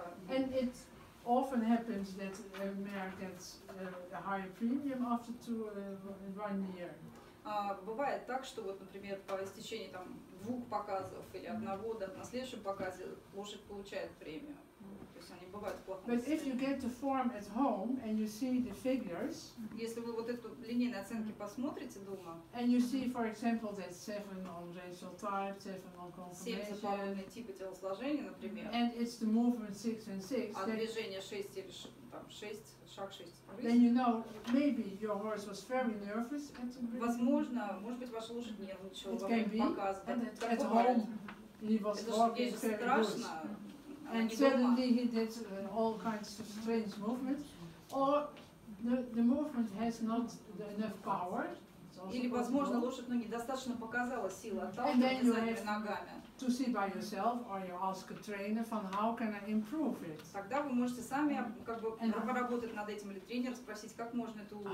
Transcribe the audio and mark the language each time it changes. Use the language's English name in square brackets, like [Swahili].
[English] And it often happens that a mare gets a higher premium after 1 year. [Russian] Бывает так, что вот, например, по истечении там двух показов или одного, да, на следующем показе лошадь получает премию. То есть они бывают в плохом состоянии. [English] But if you get the form at home and you see the figures, [Russian] если вы вот эту линейные оценки посмотрите дома, [English] and you see, for example, that 7 on racial type, 7 on conformation, [Russian] 7 за половиной типа телосложения, например, [English] and it's the movement 6 and 6, [Russian] а движение 6 или там 6, шаг 6, [English] then you know maybe your horse was very nervous at the breeding. [Russian] Возможно, может быть, ваша лошадь нервничала во время показа. [English] At home, he was walking very [Russian] страшно. [English] And suddenly he did all kinds of strange movements, or the movement has not enough power. [Russian] Или возможно лошадь, ну, недостаточно показала силы отталкивания задними ногами. [English] To see by yourself, or you ask a trainer, from how can I improve it? [Russian] Тогда вы можете сами как бы поработать над этим или тренер спросить, как можно это улучшить.